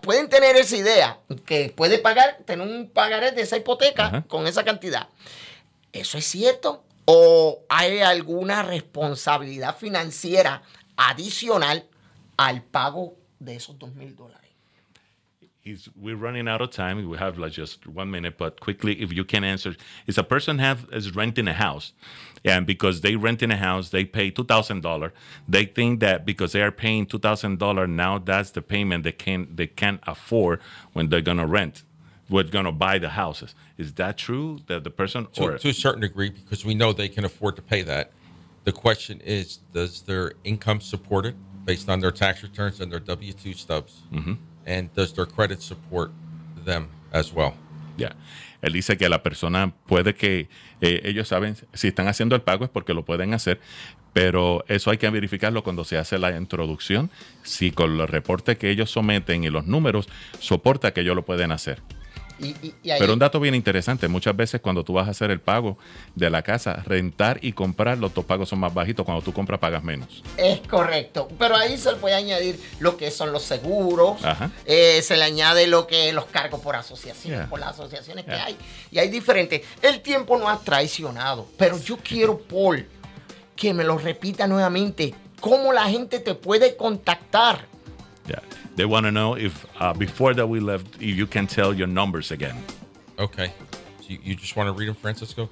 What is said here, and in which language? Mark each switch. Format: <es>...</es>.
<es>Pueden tener esa idea, que puede pagar, tener un pagaré de esa hipoteca con esa cantidad. ¿Eso es cierto? ¿O hay alguna responsabilidad financiera adicional al pago de esos $2,000?</es> <en>We're running out of time. We have like just 1 minute, but quickly, if you can answer. Is a person is renting a house? And because they rent in a house, they pay $2,000. They think that because they are paying $2,000, now that's the payment they can't afford when they're going to rent, when they're going to buy the houses. Is that true that the person? To a certain degree, because we know they can afford to pay that. The question is, does their income support it based on their tax returns and their W-2 stubs? Mm-hmm. And does their credit support them as well? Yeah.</en> <es>Él dice que la persona puede que ellos saben si están haciendo el pago es porque lo pueden hacer, pero eso hay que verificarlo cuando se hace la introducción, si con los reportes que ellos someten y los números soporta que ellos lo pueden hacer. Y ahí, pero un dato bien interesante, muchas veces cuando tú vas a hacer el pago de la casa, rentar y comprar, los dos pagos son más bajitos, cuando tú compras pagas menos. Es correcto, pero ahí se le puede añadir lo que son los seguros, se le añade lo que los cargos por asociaciones, por las asociaciones que hay, y hay diferentes. El tiempo nos ha traicionado, pero yo quiero, Paul, que me lo repita nuevamente, cómo la gente te puede contactar.</es> <en>They want to know if, before that we left, if you can tell your numbers again. Okay. So you just want to read them, Francisco?</en>